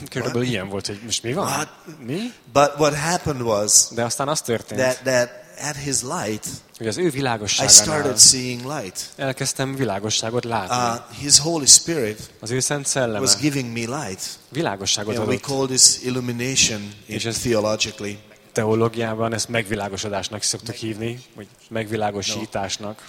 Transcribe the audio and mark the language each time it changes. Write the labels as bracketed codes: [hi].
[hu] körülbelül ilyen volt, hogy most mi van? [en] What? [hu] Mi? [en] But what happened was, [hu] de aztán az történt, [en] that at his light, [hu] hogy az ő világosságánál, [en] I started seeing light. [hu] Elkezdtem világosságot látni. [en] His Holy Spirit, [hu] az ő Szent Szelleme, [en] was giving me light. [hu] Világosságot adott. [en] We call this illumination theologically. [hu] Teológiában ezt megvilágosodásnak szoktuk hívni, vagy megvilágosításnak.